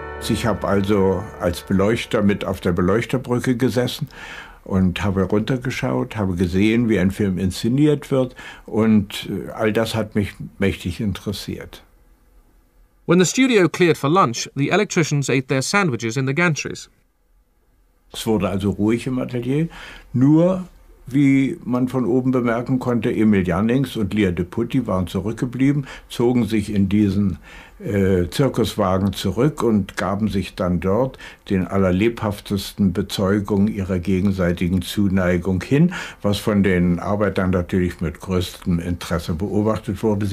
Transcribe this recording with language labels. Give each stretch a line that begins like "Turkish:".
German: Ich habe also als Beleuchter mit auf der Beleuchterbrücke gesessen und habe runtergeschaut, habe gesehen, wie ein Film inszeniert wird, und all das hat mich mächtig interessiert.
English: When the studio cleared for lunch, the electricians ate their sandwiches in the gantries.
German: Es wurde also ruhig im Atelier, nur, wie man von oben bemerken konnte, Emil Jannings und Lier de Putty waren zurückgeblieben, zogen sich in diesen Zirkuswagen zurück und gaben sich dann dort den allerlebhaftesten Bezeugungen ihrer gegenseitigen Zuneigung hin, was von den Arbeitern natürlich mit größtem Interesse beobachtet wurde.